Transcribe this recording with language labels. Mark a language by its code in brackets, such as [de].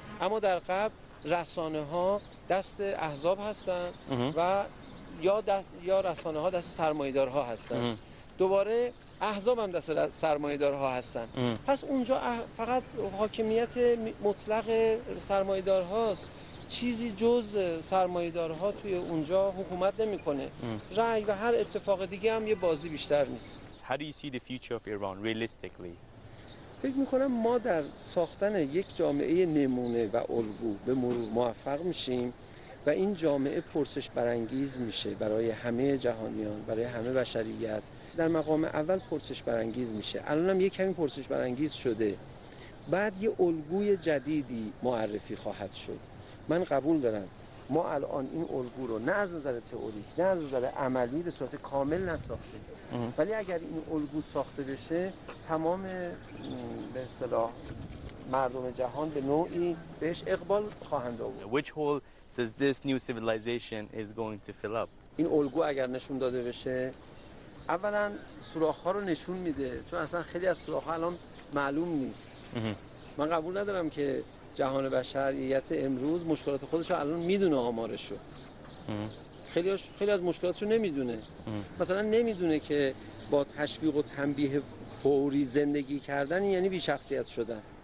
[fa] اما در قبل رسانه ها دست احزاب هستن و یا رسانه ها دست سرمایه‌دارها هستن، دوباره احزاب هم دست سرمایه‌دارها هستن. پس اونجا فقط حاکمیت مطلق سرمایه‌دارهاست، چیزی جز سرمایه‌دارها توی اونجا حکومت نمی‌کنه. رأی و هر اتفاق دیگه هم یه بازی بیشتر نیست. [en] How do you see the future of Iran realistically? [fa] فکر می‌کنم ما در ساختن یک جامعه نمونه و الگو به مرور موفق میشیم و این جامعه پرسش برانگیز میشه برای همه جهانیان، برای همه بشریت. در مقام اول پرسش برانگیز میشه، الان هم یک کمی پرسش برانگیز شده، بعد یه الگوی جدیدی معرفی خواهد شد. من قبول دارم ما الان این الگو رو نه از نظر تئوریک نه از نظر عملی به صورت کامل نساختیم، ولی اگر این الگو ساخته بشه، تمام به اصطلاح مردم جهان به نوعی بهش اقبال خواهند آورد. [en] Which hole does this new civilization is going to fill up? [fa] این الگو اگر نشون داده بشه، اولا سوراخ ها رو نشون میده، چون اصلا خیلی از سوراخ ها الان معلوم نیست. من قبول ندارم که جهان بشریت امروز مشکلات خودش رو الان میدونه آمارشو. خیلی از مشکلاتشو نمیدونه. مثلا نمیدونه که با تشویق و تنبیه فوری زندگی کردن یعنی بی‌شخصیت شدن.